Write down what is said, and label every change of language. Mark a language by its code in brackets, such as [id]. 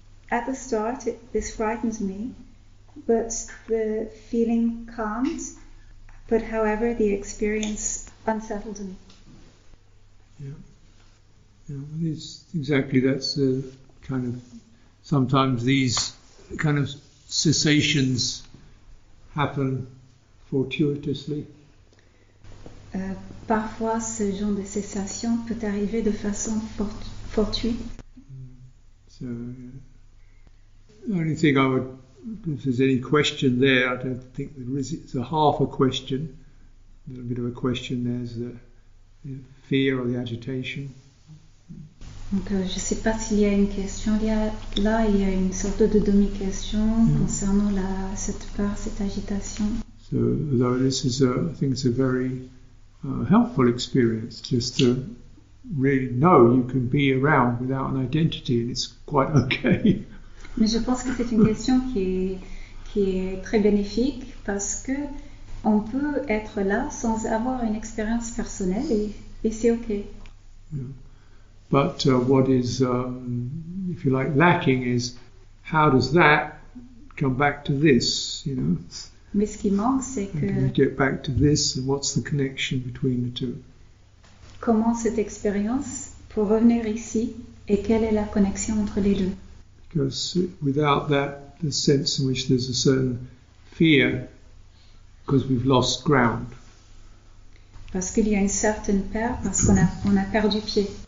[en] At the start, this frightened me, but the feeling calmed, but however, the experience unsettled me. Yeah, it's exactly that's the kind of sometimes these kind of cessations happen fortuitously. [fr] Parfois, ce genre de cessation peut arriver de façon fortuite. [en] So, the only thing I would, if there's any question there, I don't think there is. It's a half a question, a little bit of a question. There's the fear or the agitation. [fr] Donc, je ne sais pas s'il y a une question. Il y a une sorte de demi-question concernant cette peur, cette agitation. [en] So, though this is, I think, it's a very helpful experience, just to really know you can be around without an identity, and it's quite okay. [fr] Mais je pense que c'est une question qui est très bénéfique parce que on peut être là sans avoir une expérience personnelle et c'est ok. [en] But what is, if you like, lacking is how does that come back to this, you know? [fr] Mais ce qui manque, c'est que... [en] And you get back to this, and what's the connection between the two? [fr] Comment cette expérience pour revenir ici, et quelle est la connexion entre les deux? [en] Because without that, the sense in which there's a certain fear, because we've lost ground. [fr] Parce qu'il y a une certaine peur, parce qu'on a, on a perdu pied.